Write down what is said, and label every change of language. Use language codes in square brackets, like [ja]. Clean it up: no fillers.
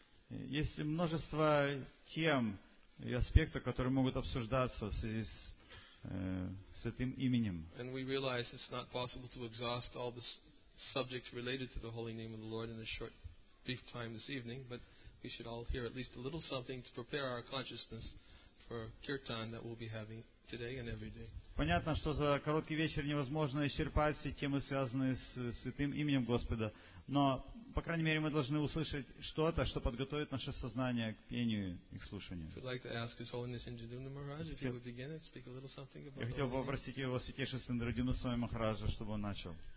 [ru] Есть множество тем и аспектов, которые могут обсуждаться в связи с святым именем. [en] And we realize it's not possible to exhaust all the subjects related to the holy name of the Lord in a short, brief time this evening, but we should all hear at least a little something to prepare our consciousness for kirtan that we'll be having today and every day. [ru] Понятно, что за короткий вечер невозможно исчерпать все темы, связанные с святым именем Господа, но по крайней мере мы должны услышать что-то, что подготовит наше сознание к пению и к слушанию. [en] I'd like to ask His Holiness Indradyumna Maharaj if he would begin and speak a little something about. [ru] Я хотел бы попросить его святейшество Индрадюмна Свами Махараджа, чтобы он начал.